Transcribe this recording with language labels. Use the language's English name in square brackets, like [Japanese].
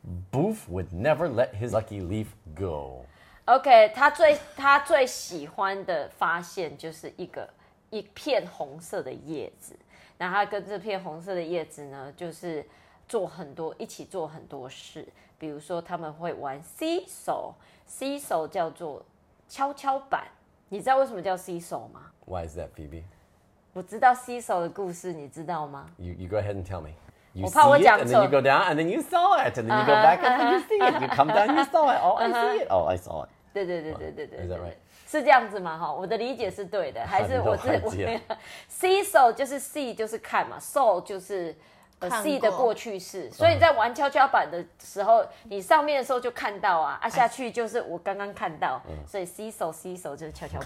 [English] Boof would never let his lucky leaf go. [Chinese] Okay, 他最喜欢的发现就是一片红色的叶子。那他跟这片红色的叶子呢，就是做很多一起做很多事。比如说他们会玩 seesaw。Seesaw 叫做跷跷板，你知道为什么叫 Seesaw 吗 [English] ？Why is that, Phoebe? [Chinese] 我知道 Seesaw 的故事，你知道吗 [English] ？You go ahead and tell me. You [Chinese] 我怕我讲错。 [English] And then you go down, and then you saw it, and then you go back, and then you see it. You come down, you saw it. Oh, I see it. Oh, I saw it. [Chinese] 对对对对对对。 [English] Is that right? [Chinese] 是这样子吗？哈，我的理解是对的，还是我是我？Seesaw 就是 see 就是看嘛 ，saw 就是。 see 的过去式，所以你在玩跷跷板的时候，你上面的时候就看到啊，下去就是我刚刚看到，所以 seesaw 就是跷跷板。